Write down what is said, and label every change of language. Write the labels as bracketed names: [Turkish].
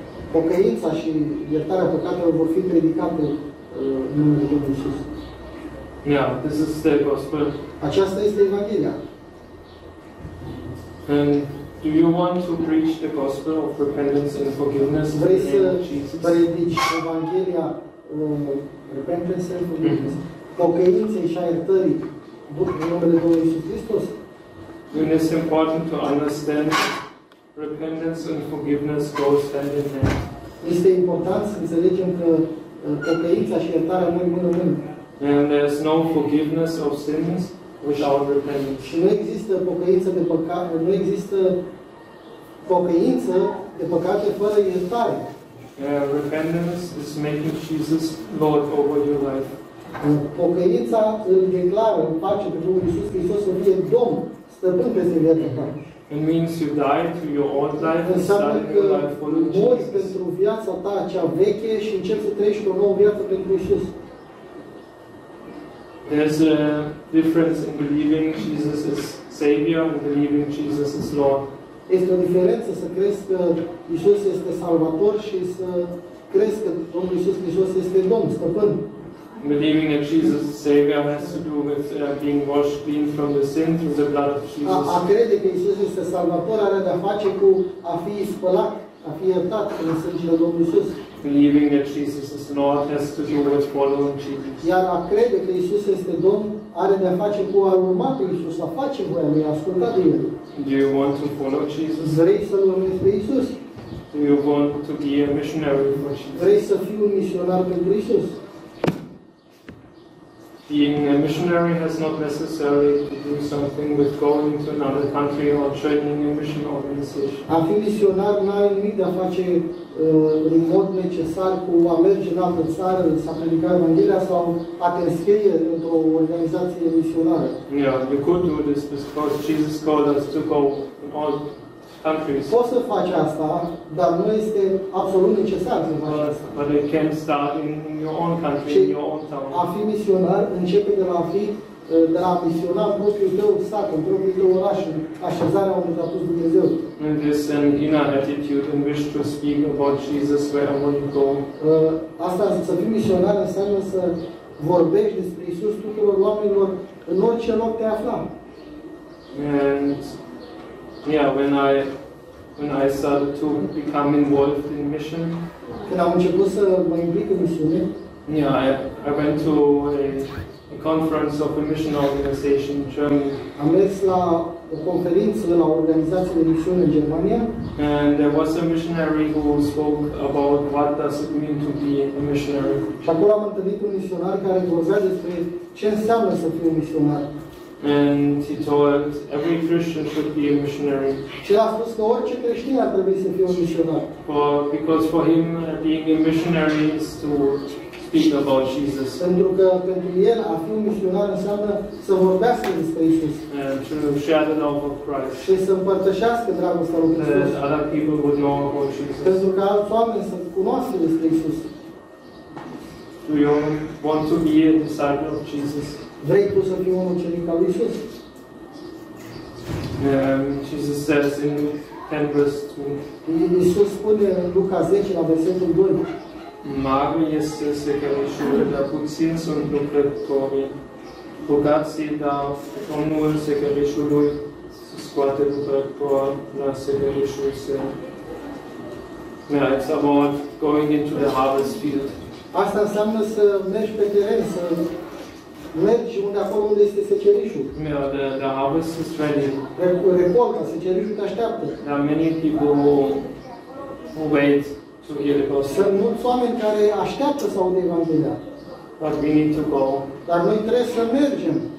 [Romanian] Pocăința și iertarea păcatelor vor fi predicate în numele Domnului Iisus. [English] Yeah, this is the gospel. [Romanian] Aceasta este Evanghelia. [English] And do you want to preach the gospel of repentance and forgiveness in the name of Jesus? [Romanian] Vrei să predici Evanghelia [English] repentance and forgiveness? [Romanian] Pocăinței și a iertării în numele Domnului Iisus Hristos. [English] When it's important to understand repentance and forgiveness goes hand in hand. [Romanian] Este important să înțelegem că pocăința și iertarea merg mână în mână. [English] And there's no forgiveness of sins without repentance. [Romanian] Și nu există pocăință de păcat, nu există pocăință de păcate fără iertare. [English] Repentance is making Jesus Lord over your life. [Romanian] Pocăința îl declară, îl face pe Domnul Iisus Hristos să fie Domn, stăpân peste viața ta. [English] It means you die to your old life and start your life for Jesus. [Romanian] Înseamnă că mori pentru viața ta cea veche și începi să trăiești o nouă viață pentru Iisus. [English] There's a difference in believing Jesus as Savior and believing Jesus as Lord. [Romanian] Este o diferență să crezi că Iisus este Salvator și să crezi că Domnul Iisus Hristos este Domn, stăpân. [English] Believing that Jesus is Savior has to do with being washed clean from the sin through the blood of Jesus. [Romanian] A crede că Iisus este Salvator are de-a face cu a fi spălat, a fi iertat prin sângele Domnului Iisus. [English] Believing that Jesus is Lord has to do with following Jesus. [Romanian] Iar a crede că Iisus este Domn are de-a face cu a urma pe Iisus, a face voia lui, a asculta de El. [English] Do you want to follow Jesus? [Romanian] Vrei să-L urmezi pe Iisus? [English] Do you want to be a missionary for Jesus? [Romanian] Vrei să fii un misionar pentru Iisus? [English] Being a missionary has not necessarily to do something with going to another country or training a mission organization. [Romanian] A fi misionar nu are nimic de a face în mod necesar cu a merge în altă țară, să predica Evanghelia sau a te înscrie într-o organizație misionară. [English] Yeah, you could do this because Jesus called us to go in all countries. [Romanian] Poți să faci asta, dar nu este absolut necesar să faci asta. [English] But it can start in your own country, in your own town. [Romanian] A fi misionar începe de la a fi, de la a misiona în propriul tău sat, în propriul tău oraș, în așezarea unde te-a pus Dumnezeu. [English] And this an inner attitude in which to speak about Jesus wherever you go. [Romanian] Asta să fii misionar înseamnă să vorbești despre Iisus tuturor oamenilor în orice loc te afla. [English] And yeah, when I started to become involved in mission. [Romanian] Când am început să mă implic în misiune. [English] Yeah, I went to a conference of a mission organization in Germany. [Romanian] Am mers la o conferință la o organizație de misiune în Germania. [English] And there was a missionary who spoke about what does it mean to be a missionary. [Romanian] Și acolo am întâlnit un misionar care vorbea despre ce înseamnă să fii un misionar. [English] And he told every Christian should be a missionary. [Romanian] Și a spus că orice creștin ar trebui să fie un misionar. [English] Because for him being a missionary is to speak about Jesus. [Romanian] Pentru că pentru el a fi un misionar înseamnă să vorbească despre Iisus. [English] And to share the love of Christ. [Romanian] Și să împărtășească dragostea lui Hristos. [English] Other people would know about Jesus. [Romanian] Pentru că alți oameni să cunoască despre Iisus. [English] Do you want to be a disciple of Jesus? [Romanian] Vrei tu să fii un ucenic al lui Iisus? [English] Jesus says in 10 verse 2. [Romanian] Iisus spune în Luca 10 la versetul 2. Mare este secărășurile, dar puțin sunt lucrătorii. Bogații, dar omul secărășului se scoate lucrător la secărășul său. [English] Yeah, it's about going into the harvest field. [Romanian] Asta înseamnă să mergi pe teren, să mergi unde acolo unde este secerișul. [English] Yeah, the harvest is ready. [Romanian] Recolta, secerișul te așteaptă. [English] There are many people who wait to hear the gospel. [Romanian] Sunt mulți oameni care așteaptă să audă Evanghelia. [English] But we need to go. [Romanian] Dar noi trebuie să mergem.